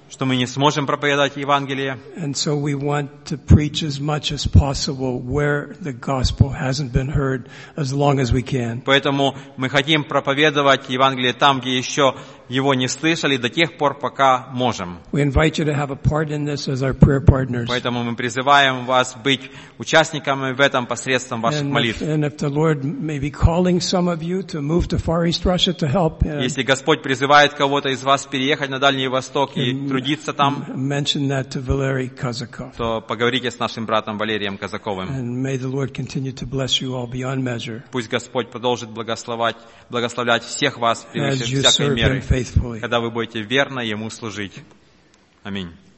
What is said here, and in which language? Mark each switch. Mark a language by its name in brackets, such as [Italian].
[Russian] Что мы не сможем проповедовать Евангелие. [English] And so we want to preach as much as possible where the gospel hasn't been heard as long as we can. [Russian] Поэтому мы хотим проповедовать Евангелие там, где еще его не слышали, до тех пор, пока можем. [English] We invite you to have a part in this as our prayer partners. [Russian] Поэтому мы призываем вас быть участниками в этом посредством ваших молитв. [English] And if the Lord may be calling some of you to move to Far East Russia to help. [Russian] Если Господь призывает кого-то из вас переехать на Дальний Восток и трудиться там, [English] mention that to Valery Kazakov. [Russian] То поговорите с нашим братом Валерием Казаковым. [English] And may the Lord continue to bless you all beyond measure. [Russian] Пусть Господь продолжит благословлять всех вас превыше всякой меры. [English] Faithfully. [Russian] Когда вы будете верно ему служить. Аминь.